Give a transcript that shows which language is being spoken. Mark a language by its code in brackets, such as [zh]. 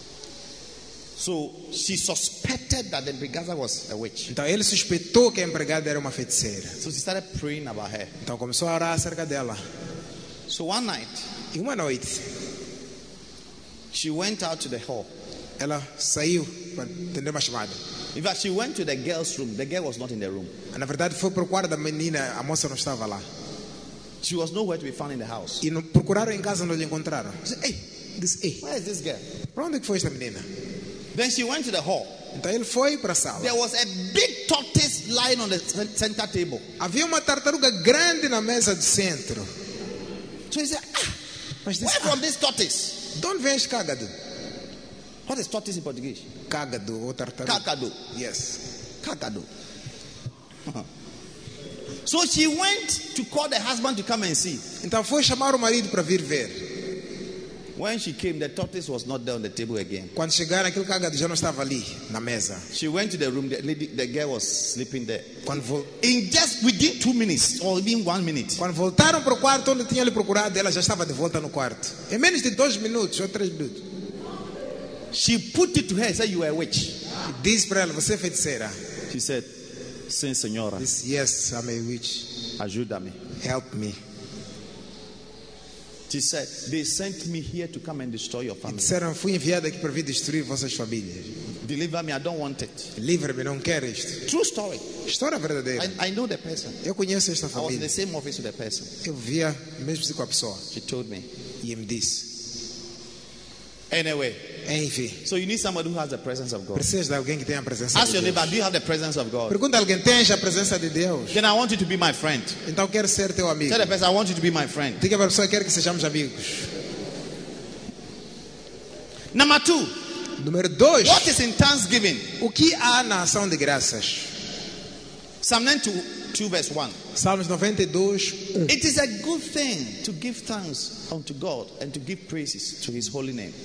[en] So she suspected that the empregada was a witch. [pt] Então ele suspeitou que a empregada era uma feiticeira. [en] So she started praying about her. [pt] Então começou a orar acerca dela. [en] So one night, [pt] e uma noite, [en] she went out to the hall. [pt] Ela saiu para atender uma chamada. [en] In fact, she went to the girl's room. The girl was not in the room. [pt] E, na verdade, foi para o quarto da menina. A moça não estava lá. [en] She was nowhere to be found in the house. [pt] E não procuraram em casa, não lhe encontraram. [en] She said, hey, where is this girl? [pt] Para onde foi esta menina? [en] Then she went to the hall. [pt] Então ele foi para a sala. [en] There was a big tortoise lying on the center table. [pt] Havia uma tartaruga grande na mesa do centro. [en] So he said, where from this tortoise? [pt] Don't vem esse cagado. [en] What is tortoise in Portuguese? [pt] Cagado ou tartaruga. Cagado. [en] Yes. [pt] Cagado. [en] So she went to call the husband to come and see. [pt] Então foi chamar o marido para vir ver. [en] When she came, the tortoise was not there on the table again. [pt] Quando chegaram, aquele cagado já não estava ali na mesa. [en] She went to the room. The girl was sleeping there. [pt] Quando [en] in just within 2 minutes or even 1 minute. [pt] Quando voltaram para o quarto onde tinha lhe procurado, ela já estava de volta no quarto. Em menos de 2 minutes ou 3 minutes. [en] She put it to her. Said, "You are a witch." [pt] Diz para ela, você é feiticeira. [en] She said, [pt] "Sim, senhora." [en] This, yes, I'm a witch. [pt] Ajuda-me. [en] Help me. She said, "They sent me here to come and destroy your family." [pt] Disseram, fui enviada aqui para vir destruir vossas famílias. [en] Deliver me, I don't want it. [pt] Livre-me, não quero isto. [en] True story. [pt] História verdadeira. [en] I know the person. [pt] Eu conheço esta família. [en] I was in the same office with the person. [pt] Eu via mesmo com a pessoa. [en] She told me. [pt] E me disse. [en] Anyway, [pt] enfim. [en] So you need somebody who has the presence of God. [pt] Precisa de alguém que tenha a presença de Deus. [en] Ask your neighbor, do you have the presence of God? [pt] Pergunta a alguém, tens a presença de Deus? [en] Then I want you to be my friend. [pt] Então quero ser teu amigo. [en] Tell the person, I want you to be my friend. [pt] Diga para a pessoa, quero que sejamos amigos. [en] Number two. [pt] Número dois. [en] What is in thanksgiving? [pt] O que há na ação de graças? [en] Psalm 92, verse 1. [pt] Salmos 92:1. [en] It is a good thing to give thanks unto God and to give praises to His holy name.